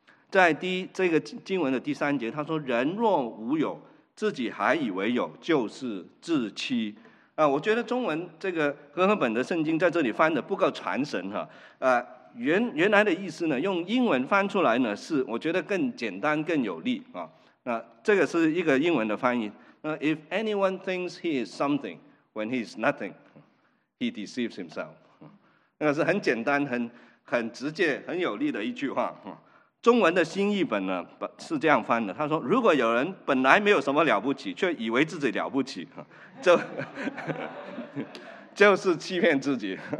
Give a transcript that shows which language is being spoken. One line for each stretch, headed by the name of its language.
Chinese: 在这个经文的第三节，他说人若无有，自己还以为有，就是自欺。我觉得中文这个和合本的圣经在这里翻的不够传神哈。原来的意思呢，用英文翻出来呢，是我觉得更简单更有力啊。那这个是一个英文的翻译。
English: If anyone thinks he is something when he is nothing, he deceives himself。
Chinese: 那是很简单、很直接、很有力的一句话。中文的新译本呢是这样翻的，他说：如果有人本来没有什么了不起，却以为自己了不起，就是欺骗自己。